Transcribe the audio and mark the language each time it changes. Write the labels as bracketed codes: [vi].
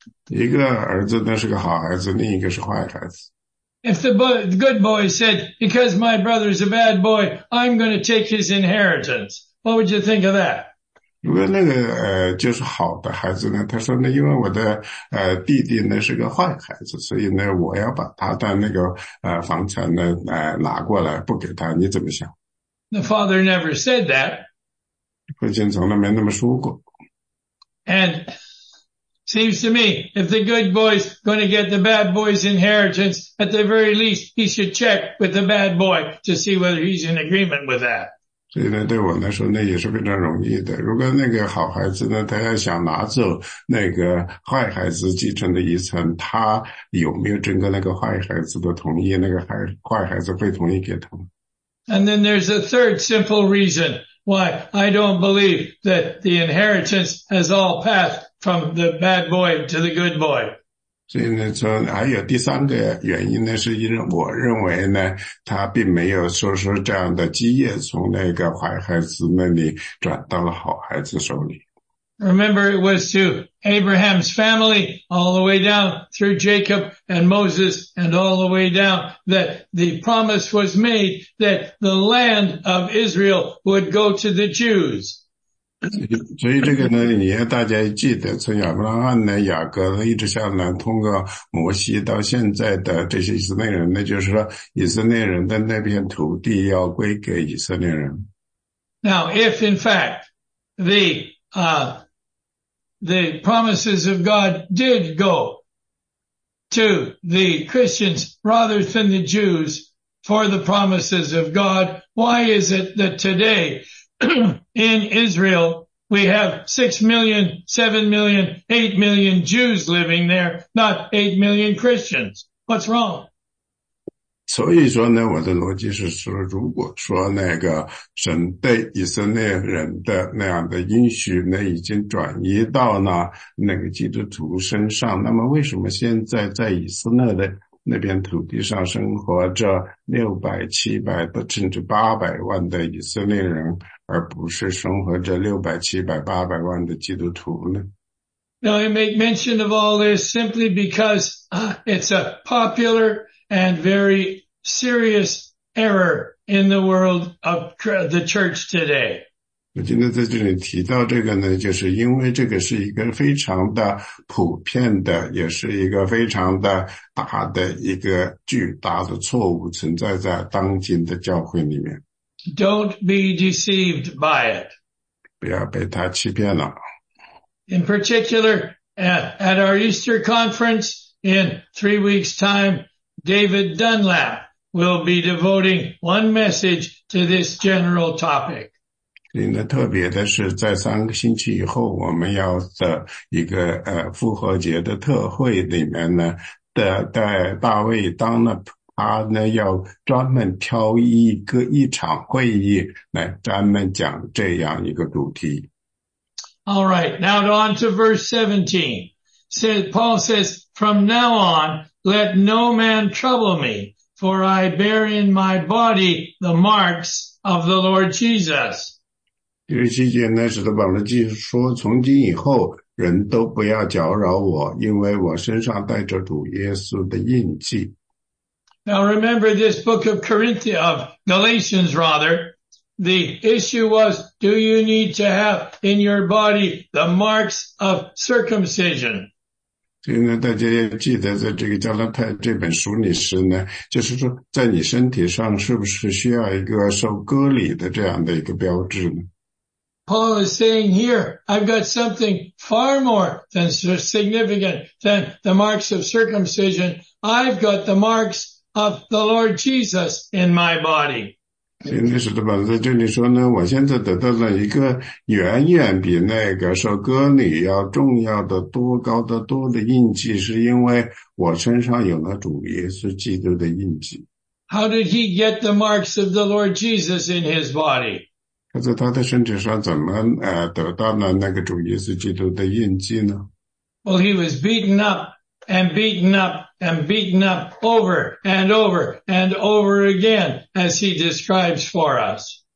[zh] 一个儿子呢是个好孩子，另一个是坏孩子。 [en] If the good boy said, because my brother is a bad boy, I'm going to take his inheritance. What would you think of that? [zh] 如果那个就是好的孩子呢，他说呢，因为我的弟弟呢是个坏孩子，所以呢，我要把他的那个房产呢拿过来不给他，你怎么想 [en] ？The father never said that. [zh] 父亲从来没那么说过。 [en] And seems to me, if the good boy's going to get the bad boy's inheritance, at the very least, he should check with the bad boy to see whether he's in agreement with that. [zh] 所以呢，对我来说呢也是非常容易的。如果那个好孩子呢，他要想拿走那个坏孩子继承的遗产，他有没有征得那个坏孩子的同意？那个坏孩子会同意给他吗 [en] ？And then there's a third simple reason why I don't believe that the inheritance has all passed from the bad boy to the good boy. [zh] 所以呢，说还有第三个原因呢，是因为我认为呢，他并没有说这样的基业从那个坏孩子那里转到了好孩子手里。 [en] Remember, it was to Abraham's family all the way down through Jacob and Moses and all the way down that the promise was made that the land of Israel would go to the Jews. [zh] 所以这个呢，也大家记得，从亚伯拉罕呢、雅各一直下来，通过摩西到现在的这些以色列人，那就是说，以色列人的那片土地要归给以色列人。 [en] Now, if in fact the promises of God did go to the Christians rather than the Jews for the promises of God, why is it that today in Israel we have 6 million, 7 million, 8 million Jews living there, not 8 million Christians? What's wrong? [zh] 所以说呢，我的逻辑是说，如果说那个神对以色列人的那样的应许呢，已经转移到那个基督徒身上，那么为什么现在在以色列的那片土地上生活着600、700甚至800万的以色列人，而不是生活着600、700、800万的基督徒呢？ [en] Now, I make mention of all this simply because it's a popular and very serious error in the world of the church today. [zh] 我今天在这里提到这个呢，就是因为这个是一个非常的普遍的，也是一个非常的大的一个巨大的错误存在在当今的教会里面。 [en] Don't be deceived by it. [zh] 不要被他欺骗了。 [en] In particular, at our Easter conference in 3 weeks' time,David Dunlap will be devoting one message to this general topic. [zh] 特别的是在三个星期以后我们要的一个复活节的特会里面呢的在大卫 Dunlap 他呢要专门挑一场会议来专门讲这样一个主题。 [en] All right, now on to verse 17. Paul says, from now on,Let no man trouble me, for I bear in my body the marks of the Lord Jesus. [zh] 第十七节呢，使徒保罗继续说：“从今以后，人都不要搅扰我，因为我身上带着主耶稣的印记。” [en] Now remember this book of Corinthians, of Galatians rather. The issue was, do you need to have in your body the marks of circumcision? [zh] 所以呢，大家要记得，在这个加拉太这本书里是呢，就是说，在你身体上是不是需要一个受割礼的这样的一个标志呢 [en] ？Paul is saying here, I've got something far more than significant than the marks of circumcision. I've got the marks of the Lord Jesus in my body. [zh] 所以使徒保罗在这里说呢，我现在得到了一个远远比那个受割礼要重要的多高的多的印记，是因为我身上有了主耶稣基督的印记。 [en] How did he get the marks of the Lord Jesus in his body? [zh] 他在他的身体上怎么得到了那个主耶稣基督的印记呢 [en] ？Well, he was beaten up and beaten up. And beaten up over and over and over again, as he describes for us.